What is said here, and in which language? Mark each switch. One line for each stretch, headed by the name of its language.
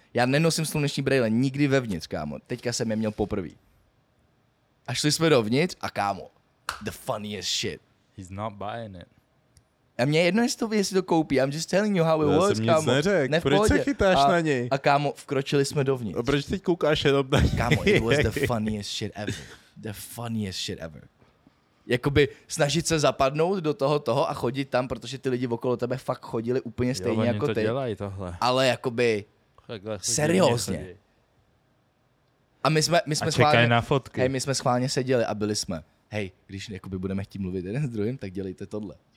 Czech: Já nenosím sluneční brejle nikdy vevnitř, kámo, teďka jsem je měl poprvý. A šli jsme dovnitř a kámo,
English: the funniest shit. He's not buying it.
Czech: A mě jedno, jestli to koupí,
English: I'm just telling you how it works,
Czech: kámo. Já jsem nic neřekl, proč se chytáš na něj? A kámo, vkročili jsme dovnitř. A proč teď koukáš jenom na něj?
English: Kámo, it was the funniest shit ever. The funniest shit ever.
Czech: Jakoby snažit se zapadnout do toho a chodit tam, protože ty lidi okolo tebe fakt chodili úplně stejně jako ty. Jo, oni to dělají tohle. Ale jakoby seriózně. A my jsme schválně... A čekají na fotky. Hej, my jsme schválně seděli a byli jsme. Hej, když jakoby budeme chtít mluvit jeden s druhým, tak dělejte tohle.